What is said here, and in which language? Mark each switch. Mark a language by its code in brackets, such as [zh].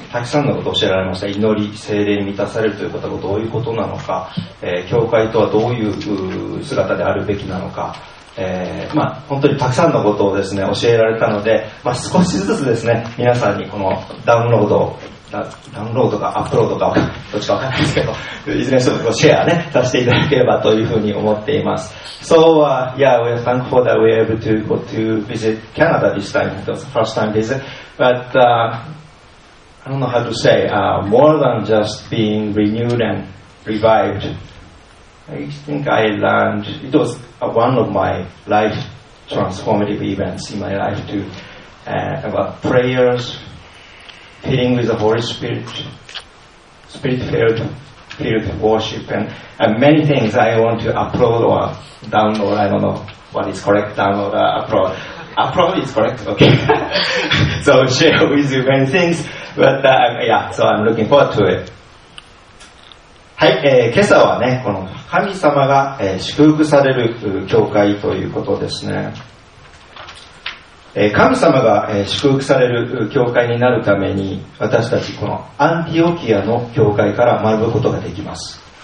[ja] たくさんのことを教えられました。祈り、聖霊に満たされるということがどういうことなのか、教会とはどういう姿であるべきなのか、本当にたくさんのことをですね教えられたので、少しずつですね皆さんにこのダウンロードかアップロードかどっちかわからないですけど、いずれにしてもシェアねさせていただければというふうに思っています。 [en] So we are thankful that we are able to go to visit Canada this time. It was the first time visit, but I don't know how to say, more than just being renewed and revived, I think I learned it wasone of my life transformative events in my life too, about prayers, filling with the Holy Spirit, spirit-filled worship, and many things I want to upload or download. I don't know what is correct, download or upload. Upload is correct, okay. So share with you many things, but I'm looking forward to it. [ja] はい、今朝はね、この神様が、祝福される教会ということですね。神様が、祝福される教会になるために、私たちこのアンティオキアの教会から学ぶことができます。